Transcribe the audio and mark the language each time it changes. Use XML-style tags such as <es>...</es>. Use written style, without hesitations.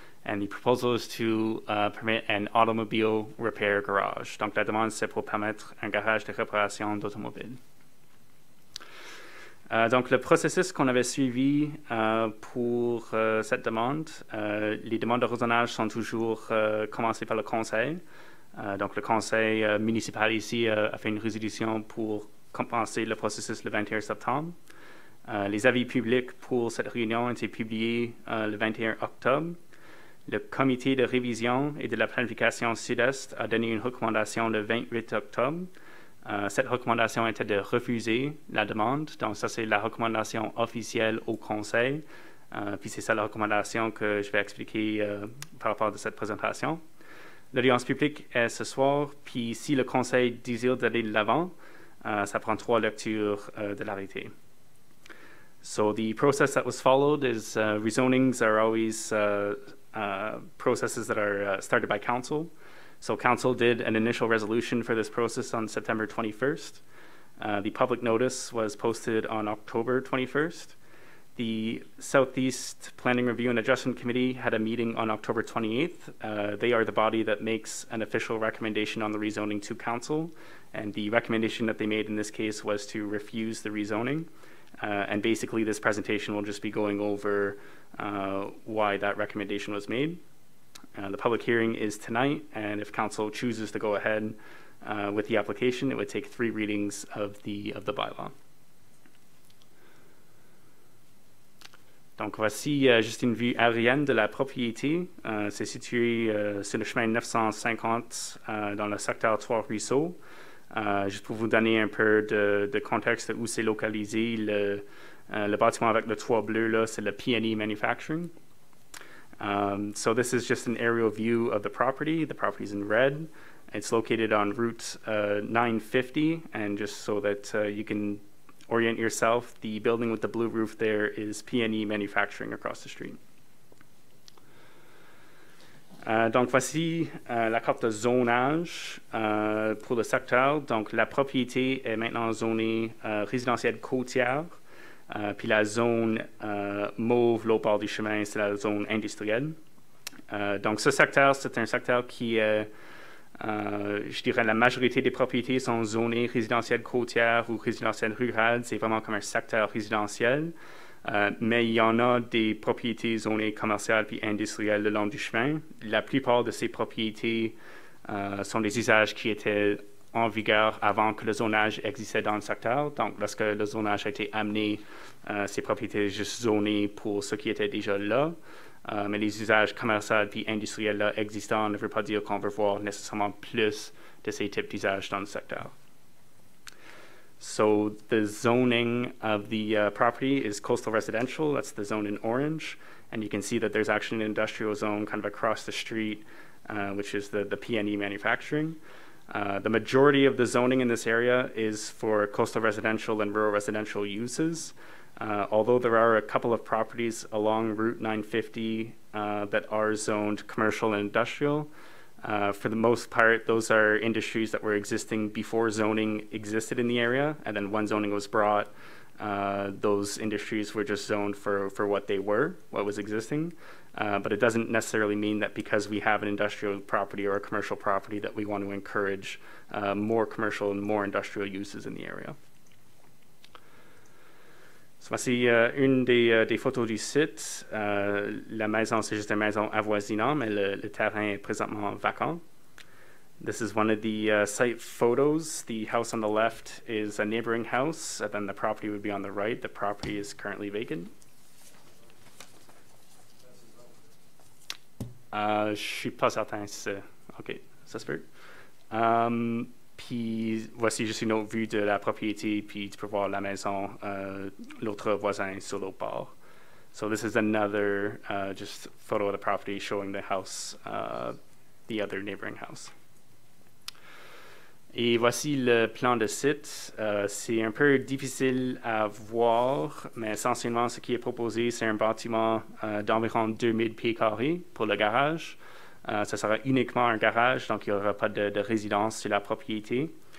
<en>And the proposal is to permit an automobile repair garage.</en> <fr>Donc, la demande, c'est pour permettre un garage de réparation d'automobile. Donc, le processus qu'on avait suivi pour cette demande, les demandes de rezonage sont toujours commencées par le conseil. Donc, le conseil municipal ici a fait une résolution pour compenser le processus le 21 septembre. Les avis publics pour cette réunion ont été publiés le 21 octobre. Le comité de révision et de la planification sud-est a donné une recommandation le 28 octobre. Cette recommandation était de refuser la demande. Donc, ça, c'est la recommandation officielle au conseil. Puis, c'est ça la recommandation que je vais expliquer par rapport à cette présentation. L'audience publique est ce soir. Puis, si le conseil désire d'aller de l'avant, ça prend trois lectures de l'arrêté.</fr> <en>So, the process that was followed is rezonings are always processes that are started by council. So council did an initial resolution for this process on September 21st. The public notice was posted on October 21st. The Southeast Planning Review and Adjustment Committee had a meeting on October 28th. They are the body that makes an official recommendation on the rezoning to council. And the recommendation that they made in this case was to refuse the rezoning. And basically this presentation will just be going over why that recommendation was made. The public hearing is tonight, and if council chooses to go ahead with the application, it would take three readings of the bylaw.</en> <fr>Donc voici juste une vue aérienne de la propriété. C'est situé sur le chemin 950 dans le secteur Trois-Ruisseaux. Juste pour vous donner un peu de contexte où c'est localisé, le bâtiment avec le toit bleu, là, c'est le P&E Manufacturing.</fr> <en>So this is just an aerial view of the property. The property is in red. It's located on Route 950. And just so that you can orient yourself, the building with the blue roof there is P&E Manufacturing across the street.</en> <fr>Donc voici la carte de zonage pour le secteur. Donc la propriété est maintenant zonée résidentielle côtière. Puis la zone mauve, l'autre bord du chemin, c'est la zone industrielle. Donc ce secteur, c'est un secteur qui, je dirais, la majorité des propriétés sont zonées résidentielles côtières ou résidentielles rurales. C'est vraiment comme un secteur résidentiel. Mais il y en a des propriétés zonées commerciales puis industrielles le long du chemin. La plupart de ces propriétés sont des usages qui étaient en vigueur avant que le zonage existait dans le secteur. Donc, lorsque le zonage a été amené, ces propriétés étaient juste zonées pour ce qui était déjà là. Mais les usages commerciaux et industriels là existants ne veut pas dire qu'on veut voir nécessairement plus de ces types d'usages dans le secteur.</fr> <en>So the zoning of the property is coastal residential. That's the zone in orange. And you can see that there's actually an industrial zone kind of across the street, which is the PNE manufacturing. The majority of the zoning in this area is for coastal residential and rural residential uses. Although there are a couple of properties along Route 950 that are zoned commercial and industrial, for the most part, those are industries that were existing before zoning existed in the area. And then when zoning was brought, those industries were just zoned for what they were, what was existing. But it doesn't necessarily mean that because we have an industrial property or a commercial property that we want to encourage more commercial and more industrial uses in the area.</en> <fr>So, voici une des photos du site. La maison, c'est juste une maison avoisinante, mais le terrain est présentement vacant.</fr> <en>This is one of the site photos. The house on the left is a neighboring house, and then the property would be on the right. The property is currently vacant.</en> <fr>Je ne suis pas certain si c'est... OK, ça se peut. Puis voici juste une autre vue de la propriété, puis tu peux voir la maison, l'autre voisin sur l'autre bord.</fr> <en>So this is another just photo of the property showing the house, the other neighboring house.</en> <fr>Et voici le plan de site. C'est un peu difficile à voir, mais essentiellement ce qui est proposé, c'est un bâtiment d'environ 2000 pieds carrés pour le garage. Ça sera uniquement un garage, donc il n'y aura pas de résidence sur la propriété.</fr>